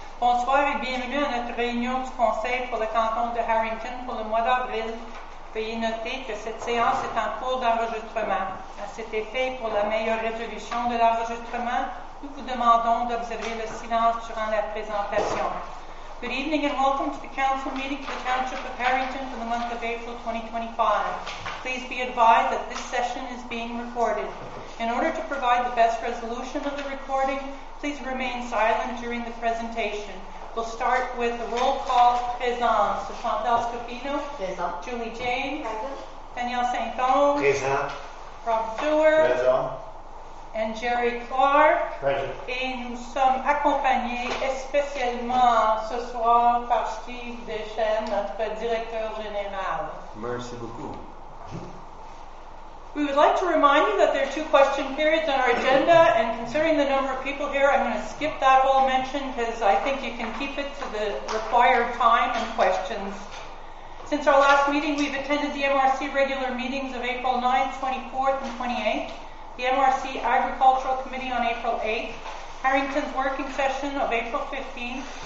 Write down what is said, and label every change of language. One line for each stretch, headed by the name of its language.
French: Bonsoir et bienvenue à notre réunion du Conseil pour le canton de Harrington pour le mois d'avril. Veuillez noter que cette séance est en cours d'enregistrement. À cet effet, pour la meilleure résolution de l'enregistrement, nous vous demandons d'observer le silence durant la présentation.
English: Good evening and welcome to the Council meeting for the Township of Harrington for the month of April 2025. Please be advised that this session is being recorded. In order to provide the best resolution of the recording, please remain silent during the presentation. We'll start with the roll call. Présent. So Chantal Scopino.
French: Présent.
English: Julie Jane. Present. Danielle Saint-Thon.
French: Présent. Rob Stewart. Présent.
English: And Jerry Clark. Present.
French: Et nous sommes accompagnés spécialement ce soir par Steve Deschênes, notre directeur général. Merci beaucoup.
English: We would like to remind you that there are two question periods on our agenda, and considering the number of people here, I'm going to skip that whole mention because I think you can keep it to the required time and questions. Since our last meeting, we've attended the MRC regular meetings of April 9th, 24th, and 28th, the MRC Agricultural Committee on April 8th, Harrington's working session of April 15th.